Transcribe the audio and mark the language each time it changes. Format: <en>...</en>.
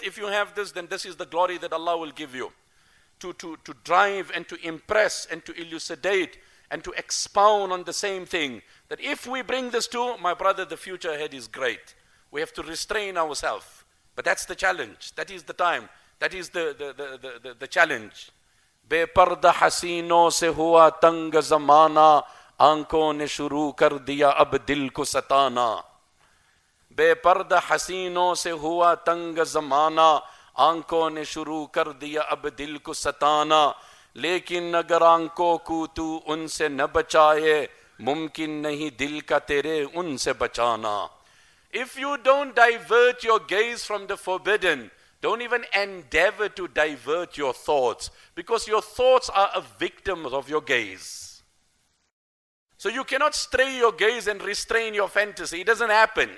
<en>If you have this, then this is the glory that Allah will give you. To drive and to impress and to elucidate and to expound on the same thing. That if we bring this to, my brother, the future ahead is great. We have to restrain ourselves. But that's the challenge. That is the time. That is the challenge.</en> <ur>بے پردہ حسینوں سے ہوا تنگ زمانہ آنکھوں نے شروع کر دیا اب دل کو ستانا بے پردہ حسینوں سے ہوا تنگ زمانہ آنکھوں نے شروع کر دیا اب دل کو ستانا لیکن اگر آنکھوں کو تو ان سے نہ بچائے ممکن نہیں دل کا تیرے ان سے بچانا.</ur> <en>If you don't divert your gaze from the forbidden, Don't even endeavor to divert your thoughts, because your thoughts are a victim of your gaze. So you cannot stray your gaze and restrain your fantasy. It doesn't happen.</en>